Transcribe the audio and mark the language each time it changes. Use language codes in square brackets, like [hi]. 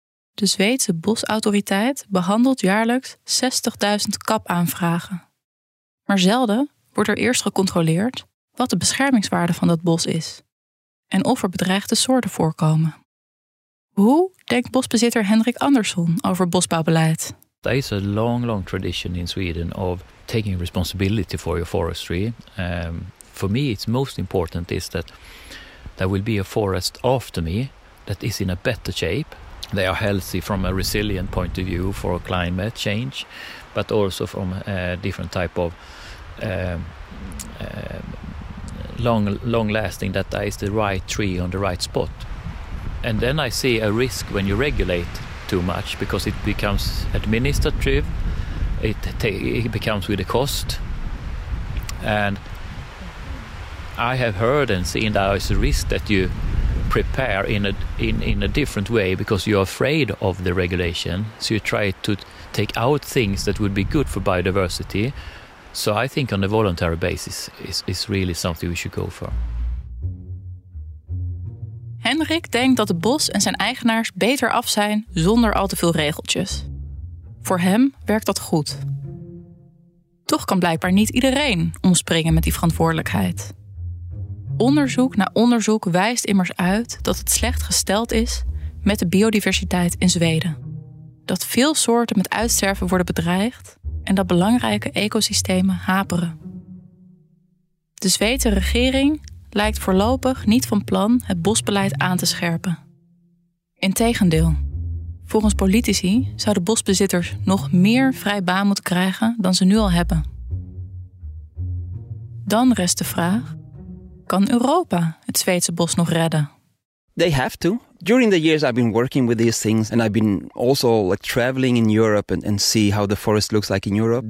[nl] De Zweedse bosautoriteit behandelt jaarlijks 60.000 kap-aanvragen. Maar zelden wordt er eerst gecontroleerd wat de beschermingswaarde van dat bos is en of er bedreigde soorten voorkomen. Hoe denkt bosbezitter Hendrik Andersson over bosbouwbeleid? [en] There is a long, long tradition in Sweden of taking responsibility for your forestry. For me, it's most important is that there will be a forest after me that is in a better shape. They are healthy from a resilient point of view for climate change, but also from a different type of long-lasting, that there is the right tree on the right spot. And then I see a risk when you regulate too much, because it becomes administrative, it becomes with a cost. And I have heard and seen that there is a risk that you prepare in a different way, because you're afraid of the regulation, so you try to take out things that would be good for biodiversity. So I think on a voluntary basis is really something we should go for. [nl] Hendrik denkt dat het bos en zijn eigenaars beter af zijn zonder al te veel regeltjes. Voor hem werkt dat goed. Toch kan blijkbaar niet iedereen omspringen met die verantwoordelijkheid. Onderzoek na onderzoek wijst immers uit dat het slecht gesteld is met de biodiversiteit in Zweden. Dat veel soorten met uitsterven worden bedreigd en dat belangrijke ecosystemen haperen. De Zweedse regering lijkt voorlopig niet van plan het bosbeleid aan te scherpen. Integendeel, volgens politici zouden bosbezitters nog meer vrij baan moeten krijgen dan ze nu al hebben. Dan rest de vraag: kan Europa het Zweedse bos nog redden? [en] They have to. During the years I've been working with these things, and I've been also like traveling in Europe and see how the forest looks like in Europe.